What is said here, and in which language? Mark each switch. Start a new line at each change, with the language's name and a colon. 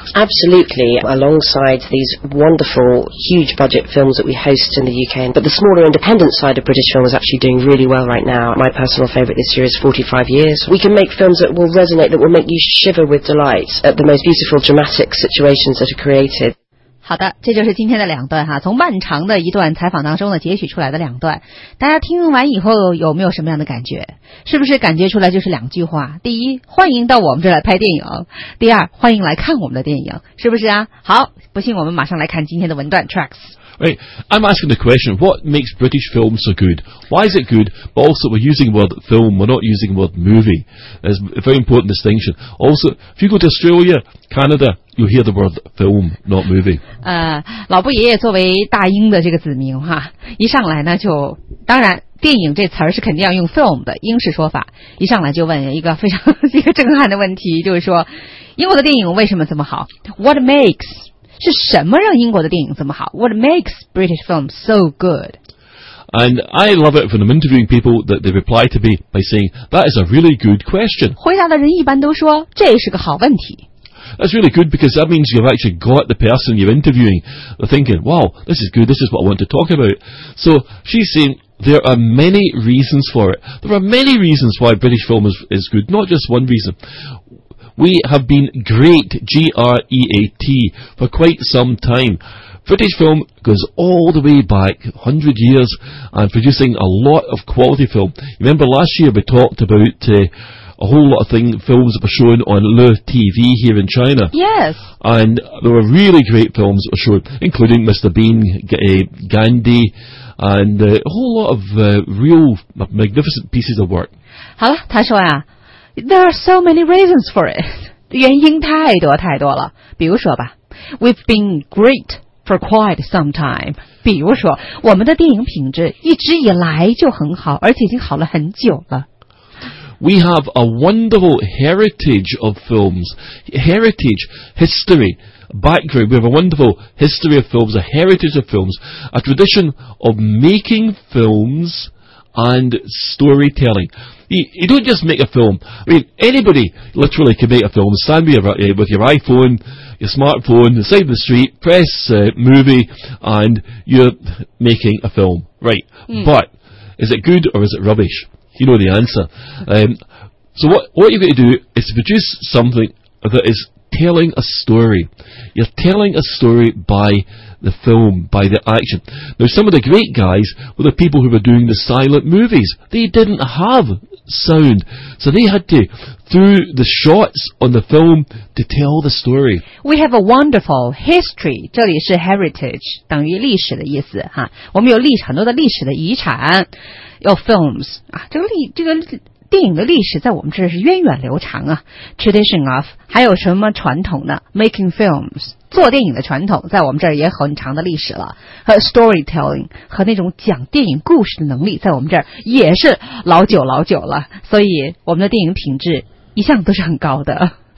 English: Absolutely, alongside these wonderful huge budget films that we host in the UK, but the smaller independent side of British film is actually doing really well right now. My personal favourite this year is 45 Years. We can make films that will resonate, that will make you shiver with delight at the most beautiful dramatic situations that are created.
Chinese: 好的，这就是今天的两段哈，从漫长的一段采访当中呢截取出来的两段。大家听完以后有没有什么样的感觉？是不是感觉出来就是两句话？第一，欢迎到我们这来拍电影；第二，欢迎来看我们的电影，是不是啊？好，不信我们马上来看今天的文段 tracks。
English: Right, I'm asking the question, what makes British film so good? Why is it good? But also, we're using the word film, we're not using the word movie. It's a very important distinction. Also, if you go to Australia, Canada, you'll hear the word film, not movie.
Chinese: 老布爷爷作为大英的这个子民哈，一上来呢就，当然电影这词儿是肯定要用 film 的英式说法，一上来就问一个非常一个震撼的问题，就是说英国的电影为什么这么好？
English: What makes...
Chinese: 是什么让英国的电影这么好?
English: What makes British film so good? And I love it when I'm interviewing people that they reply to me by saying, that is a really good question.
Chinese: 回答的人一般都说,这是个好问题。
English: That's really good because that means you've actually got the person you're interviewing thinking, wow, this is good, this is what I want to talk about. So she's saying... There are many reasons for it. There are many reasons why British film is good, not just one reason. We have been great, G-R-E-A-T, for quite some time. British film goes all the way back, 100 years, and producing a lot of quality film. Remember last year we talked about a whole lot of films that were shown on Le TV here in China. Yes. And there were really great films that were shown, including Mr. Bean, Gandhi,And a whole lot of real magnificent pieces of work.
Chinese: 好了，他说呀
English: ，there are so many reasons for it.
Chinese: 原因太多太多了。比如说吧
English: ，we've been great for quite some time.
Chinese: 比如说，我们的电影品质一直以来就很好，而且已经好了很久了。
English: We have a wonderful heritage of films. Heritage, history, background. We have a wonderful history of films, a heritage of films, a tradition of making films and storytelling. You don't just make a film. I mean, anybody literally can make a film. Stand with your iPhone, your smartphone, the side of the street, press movie, and you're making a film. Right. Mm. But is it good or is it rubbish? You know the answer. So what you've got to do is to produce something that is telling a story. You're telling a story by the film, by the action. Now, some of the great guys were the people who were doing the silent movies. They didn't have sound. So they had to, through the shots on the film, to tell the story. We have a wonderful history.
Chinese: 这里是 heritage, 等于历史的意思。哈，我们有历史很多的历史的遗产。有 films 啊，这个电影的历史在我们这是源远流长啊 ，tradition of 还有什么传统呢 ？making films 做电影的传统在我们这儿也很长的历史了，和 storytelling 和那种讲电影故事的能力在我们这儿也是老久老久了，所以我们的电影品质一向都是很高的。